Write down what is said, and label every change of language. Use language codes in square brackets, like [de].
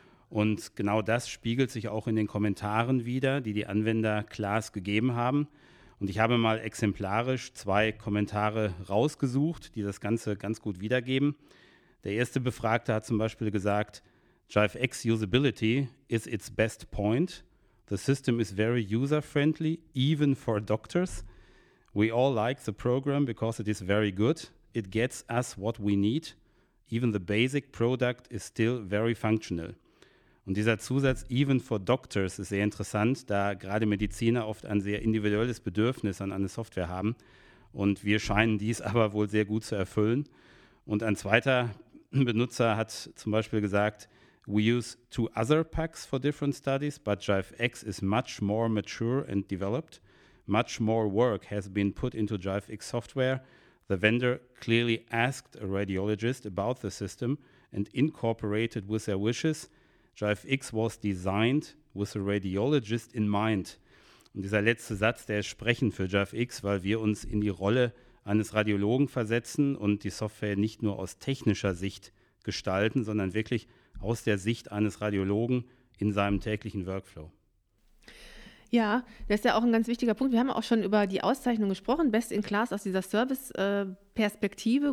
[de] Und genau das spiegelt sich auch in den Kommentaren wieder, die die Anwender Klaas gegeben haben. Und ich habe mal exemplarisch zwei Kommentare rausgesucht, die das Ganze ganz gut wiedergeben. Der erste Befragte hat zum Beispiel gesagt, JiveX [en] Usability is its best point. The system is very user-friendly, even for doctors. We all like the program because it is very good. It gets us what we need. Even the basic product is still very functional. [de] Und dieser Zusatz, [en] even for doctors, [de] ist sehr interessant, da gerade Mediziner oft ein sehr individuelles Bedürfnis an eine Software haben. Und wir scheinen dies aber wohl sehr gut zu erfüllen. Und ein zweiter Benutzer hat zum Beispiel gesagt, [en] we use two other packs for different studies, but JiveX is much more mature and developed. Much more work has been put into JiveX software. The vendor clearly asked a radiologist about the system and incorporated with their wishes. JiveX was designed with a radiologist in mind. [de] Und dieser letzte Satz, der ist sprechend für JiveX, weil wir uns in die Rolle eines Radiologen versetzen und die Software nicht nur aus technischer Sicht gestalten, sondern wirklich aus der Sicht eines Radiologen in seinem täglichen Workflow. Ja, das ist ja auch ein ganz wichtiger Punkt. Wir haben auch schon über die Auszeichnung gesprochen, Best in Class aus dieser Service-Perspektive.